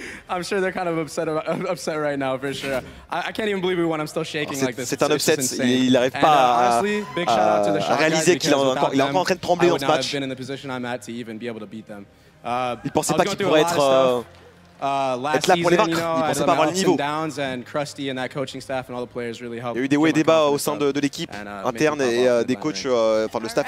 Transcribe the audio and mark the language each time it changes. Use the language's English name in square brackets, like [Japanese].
[English] I'm sure they're kind of upset right now for sure. I can't even believe we won. I'm still shaking like this. [French] C'est un upset. Il n'arrive pas à réaliser qu'il est encore en train de trembler dans ce match. [English] I've been in the position I'm at to even be able to beat them. [French] Il ne pensait pas qu'il pourrait être là pour les vaincre, il ne pensait pas avoir le niveau. Il y a eu des hauts et des bas au sein de l'équipe interne et des coachs, enfin le staff.